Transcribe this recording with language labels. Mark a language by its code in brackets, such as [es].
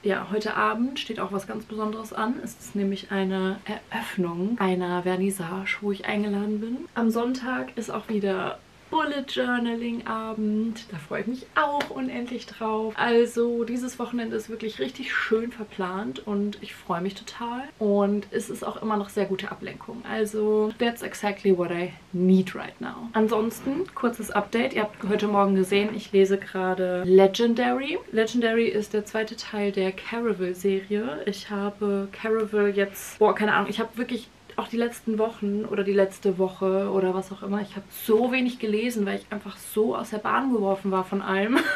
[de] Ja, heute Abend steht auch was ganz Besonderes an. Es ist nämlich eine Eröffnung einer Vernissage, wo ich eingeladen bin. Am Sonntag ist auch wieder Bullet Journaling Abend. Da freue ich mich auch unendlich drauf. Also dieses Wochenende ist wirklich richtig schön verplant und ich freue mich total. Und es ist auch immer noch sehr gute Ablenkung. [en] Also that's exactly what I need right now. [de] Ansonsten, kurzes Update. Ihr habt heute Morgen gesehen, ich lese gerade Legendary. Legendary ist der zweite Teil der Caraval-Serie. Ich habe Caraval jetzt... Boah, keine Ahnung. Ich habe wirklich... auch die letzten Wochen oder die letzte Woche oder was auch immer. Ich habe so wenig gelesen, weil ich einfach so aus der Bahn geworfen war von allem.